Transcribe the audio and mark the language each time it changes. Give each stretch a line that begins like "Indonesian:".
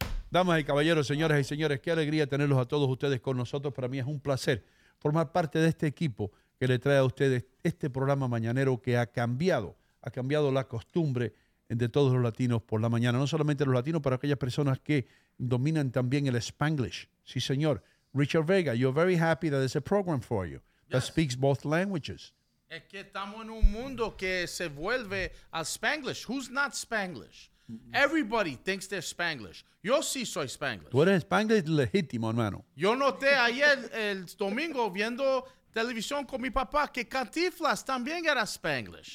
Spanish: Damas y caballeros, señoras y señores, qué alegría tenerlos a todos ustedes con nosotros. Para mí es un placer formar parte de este equipo que le trae a ustedes este programa mañanero que ha cambiado la costumbre de todos los latinos por la mañana. No solamente los latinos, para aquellas personas que dominan también el Spanglish. Sí, señor.
English: Richard Vega, you're very happy that there's a program for you that speaks both languages.
Spanish: Es que estamos en un mundo que se vuelve a Spanglish.
English: Who's not Spanglish? Everybody thinks they're Spanglish.
Spanish: Yo sí soy Spanglish. Tú eres Spanglish legítimo, hermano. Yo noté ayer el domingo viendo televisión con mi papá que Cantinflas también era Spanglish.